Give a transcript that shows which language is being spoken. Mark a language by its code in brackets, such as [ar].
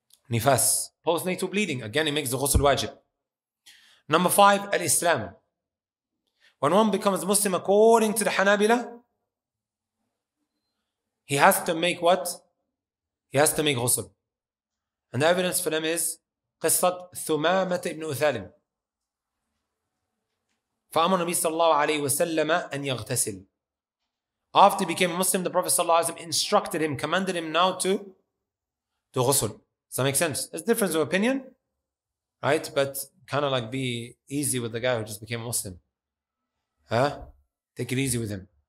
[en] Nifas, postnatal bleeding. Again, it makes the ghusl wajib. Number five, al-Islam. When one becomes Muslim according to the Hanabila, he has to make what? He has to make ghusl. [ar] And the evidence for them is قصت ثمامة ابن أثالم. فأمر النبي صلى الله عليه وسلم أن يغتسل. [en] After he became Muslim, the Prophet [ar] صلى الله عليه وسلم [en] instructed him, commanded him now to ghusl. Does that make sense? It's a difference of opinion, right? But kind of like be easy with the guy who just became Muslim. Huh? Take it easy with him.